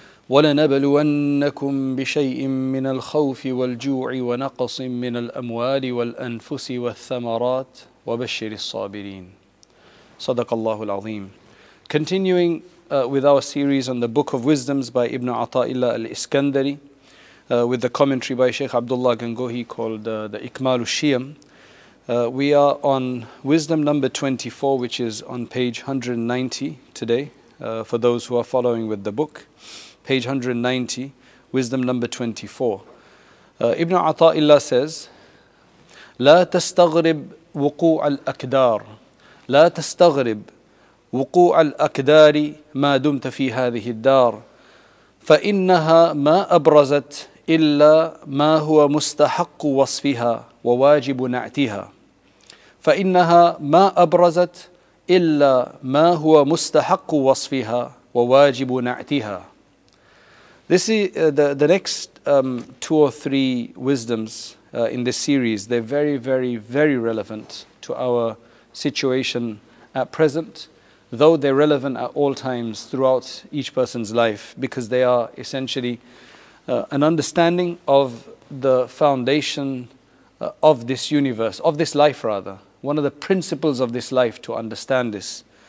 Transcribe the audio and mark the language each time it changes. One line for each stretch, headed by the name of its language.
Arabic: ولنبلونكم بشيء من الخوف والجوع ونقص من الأموال والأنفس والثمرات وبشر الصابرين. صدق الله العظيم.
English: Continuing with our series on the Book of Wisdoms by Ibn Ata'illah al-Iskandari, with the commentary by Sheikh Abdullah Gangohi called the Ikmal al-Shiyam, we are on wisdom number 24, which is on page 190 today, for those who are following with the book. Page 190, wisdom number 24. Ibn Ata'illah says,
Arabic: لا تستغرب وقوع الأكدار لا تستغرب وقوع الأكدار ما دمت في هذه الدار فإنها ما أبرزت إلا ما هو مستحق وصفها وواجب نعتها فإنها ما أبرزت إلا ما هو مستحق وصفها وواجب نعتها.
English: This is the next two or three wisdoms in this series. They're very, very, very relevant to our situation at present, though they're relevant at all times throughout each person's life, because they are essentially an understanding of the foundation of this universe, of this life rather, one of the principles of this life to understand this.